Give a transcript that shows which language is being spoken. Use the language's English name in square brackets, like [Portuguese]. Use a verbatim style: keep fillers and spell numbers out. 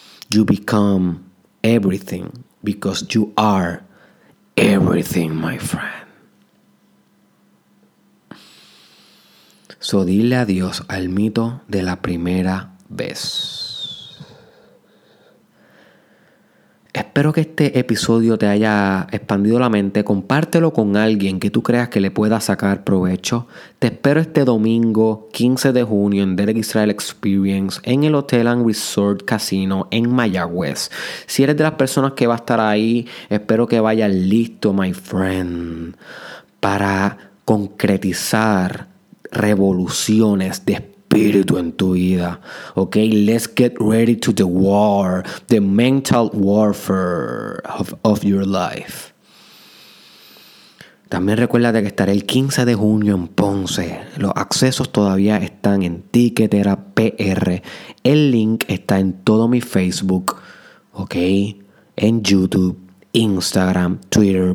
[English] You become everything because you are everything, my friend. [Spanish] So dile adiós al mito de la primera vez. Espero que este episodio te haya expandido la mente. Compártelo con alguien que tú creas que le pueda sacar provecho. Te espero este domingo quince de junio en Derek Israel Experience en el Hotel and Resort Casino en Mayagüez. Si eres de las personas que va a estar ahí, espero que vayas listo, [English] my friend, [Spanish] para concretizar revoluciones de espíritu en tu vida. [English] Ok, let's get ready to the war, the mental warfare of, of your life. [Spanish] También recuérdate que estaré el quince de junio en Ponce. Los accesos todavía están en Ticketera P R. El link está en todo mi Facebook, ok, en YouTube, Instagram, Twitter.